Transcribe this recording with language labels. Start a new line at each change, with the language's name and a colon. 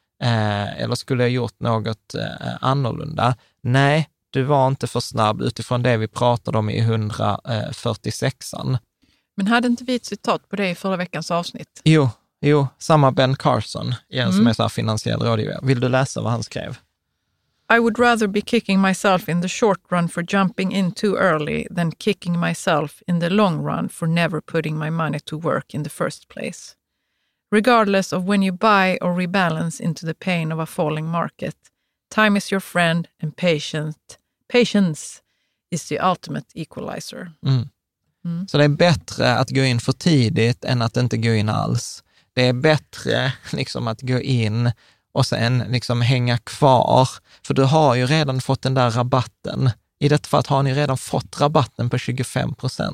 Swedish: Eller skulle jag gjort något annorlunda? Nej, du var inte för snabb utifrån det vi pratade om i 146an. Men hade inte vi ett citat på det i förra veckans avsnitt? Jo, samma Ben Carson, som är så här finansiell rådgivare. Vill du läsa vad han skrev?
English: I would rather be kicking myself in the short run for jumping in too early than kicking myself in the long run for never putting my money to work in the first place. Regardless of when you buy or rebalance into the pain of a falling market, time is your friend and patience is the ultimate equalizer. Mm.
Swedish: Så det är bättre att gå in för tidigt än att inte gå in alls. Det är bättre liksom att gå in och sen liksom hänga kvar. För du har ju redan fått den där rabatten. I detta fall har ni redan fått rabatten på 25%.